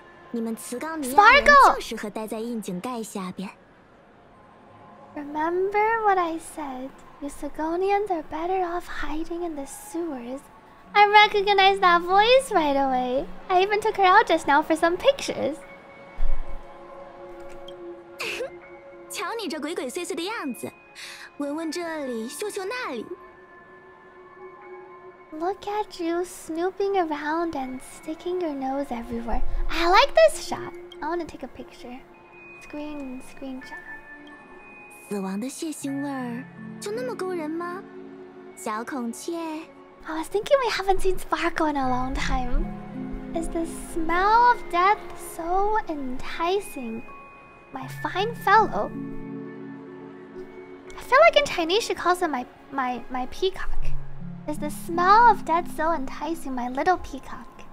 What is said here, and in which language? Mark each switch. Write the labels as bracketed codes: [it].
[zh] 你们磁钢尼亚人就适合待在硬井盖下边。 [en] Remember what I said? You Sigonians are better off hiding in the sewers. I recognized that voice right away. I even took her out just now for some pictures. [zh] 瞧你这鬼鬼祟祟的样子，闻闻这里，嗅嗅那里。 [en] Look at you snooping around and sticking your nose everywhere. I like this shot. I want to take a picture. Screenshot. [zh] 死亡的血腥味儿就那么勾人吗？小孔雀。 [en] I was thinking we haven't seen Sparkle in a long time. Is the smell of death so enticing, my fine fellow? I feel like in Chinese she calls him my peacock. Is the smell of death so enticing, my little peacock?